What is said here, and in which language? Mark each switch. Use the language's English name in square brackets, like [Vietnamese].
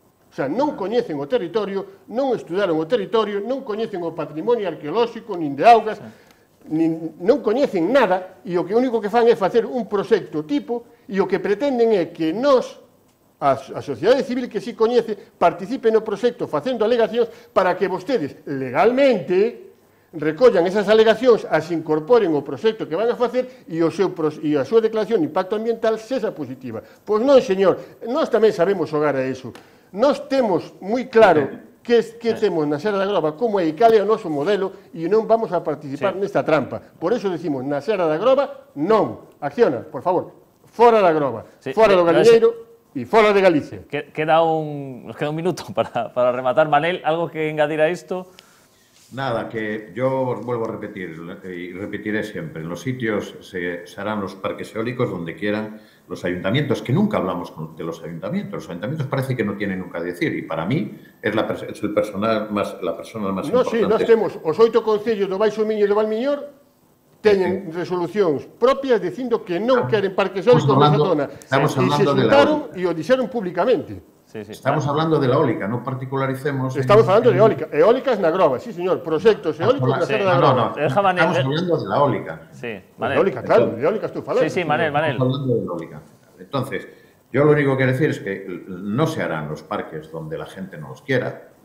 [Galician] O sea, non coñecen o territorio, non estudaron o territorio, non coñecen o patrimonio arqueolóxico, nin de augas, non coñecen nada, e o que único que fan é facer un proxecto tipo, e o que pretenden é que nos, a sociedade civil que si coñece, participe no proxecto facendo alegacións para que vostedes legalmente recollan esas alegacións, as incorporen o proxecto que van a facer e, a súa declaración de impacto ambiental sexa positiva. Pois non, señor, nós tamén sabemos xogar a eso. Nós temos moi claro que temos na Serra da Groba, como é e cal é o noso modelo, e non vamos a participar nesta trampa. Por eso decimos, na Serra da Groba, non. Acciona, por favor, fora da Groba, fora do Galiñeiro e fora de Galicia. Nos queda un minuto para rematar. Manel, algo que engadir a isto? [Spanish] Nada, que yo os vuelvo a repetir y repetiré siempre. En los sitios se harán los parques eólicos donde quieran los ayuntamientos, que nunca hablamos de los ayuntamientos. Los ayuntamientos parece que no tienen nunca que decir y para mí es la persona más importante. No, sí, nos tenemos. [Galician] Os 8 concellos de Baixo Miño y de Valmiñor teñen resolucións propias dicindo que non queren parques eólicos na zona. [Spanish] Estamos hablando de la eólica. [Galician] E se xuntaron e o dixeron públicamente. [Spanish] Sí, sí, estamos hablando de la eólica, [Galician] non particularicemos... [Spanish] Estamos hablando de eólica. [Galician] Eólicas na Groba, [Spanish] sí, señor. [Galician] Proxectos eólicos na Serra da Groba. [Spanish] No. Estamos hablando de la eólica. Sí, [Galician] Manel. Eólica, claro, de eólica estou falando. Sí, Manel. [Spanish] Estamos hablando de la eólica. Entonces, yo lo único que quiero decir es que no se harán los parques donde la gente no los quiera.